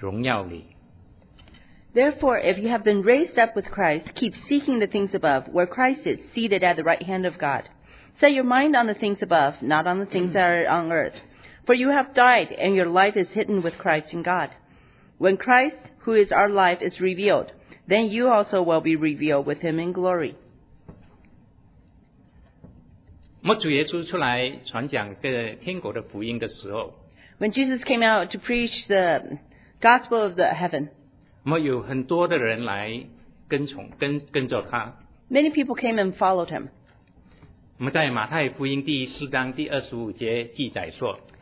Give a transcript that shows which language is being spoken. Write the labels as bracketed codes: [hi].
[zh] 基督是我们的生命，他显现的时候，你们也要与他一同显现在荣耀里。 [en] Therefore, if you have been raised up with Christ, keep seeking the things above, where Christ is seated at the right hand of God. Set your mind on the things above, not on the things that are on earth. For you have died, and your life is hidden with Christ in God. When Christ, who is our life, is revealed, then you also will be revealed with him in glory. [zh] 主耶稣出来传讲这天国的福音的时候， [en] When Jesus came out to preach the gospel of the heaven, [zh] 有很多的人来跟着他。 [en] Many people came and followed him. [zh] 在马太福音第4章第25节记载说，